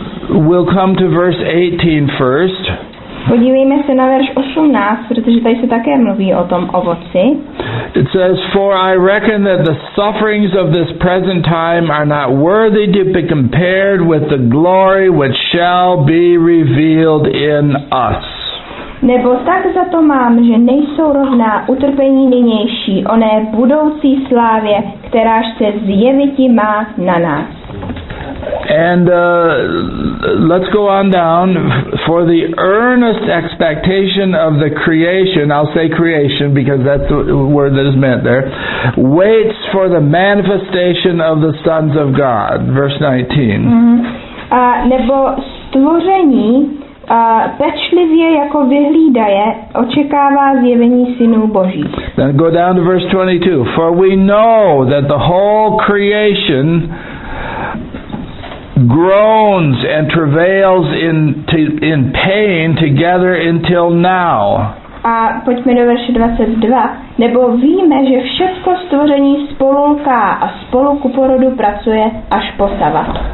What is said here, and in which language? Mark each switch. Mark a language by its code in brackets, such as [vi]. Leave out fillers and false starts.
[en] We'll come to verse 18 first. [cs] Podívejme se na verš 18, protože tady se také mluví o tom ovoci. [en] It says, for I reckon that the sufferings of this present time are not worthy to be compared with the glory which shall be revealed in us. [cs] Nebo tak za to mám, že nejsou rovná utrpení nynější, oné budoucí slávě, kteráž se zjeviti má na nás. [en] And let's go on down. For the earnest expectation of the creation, I'll say creation because that's the word that is meant there, waits for the manifestation of the sons of God. Verse 19. Mm-hmm. [cs] Nebo stvoření pečlivě jako vyhlídaje očekává zjevení synů Boží. [en] Then go down to verse 22. For we know that the whole creation groans and travails in pain together until now. [cs] A pojďme do verše 22. Nebo víme, že všechno stvoření spolulká a spolu ku porodu pracuje až po savat.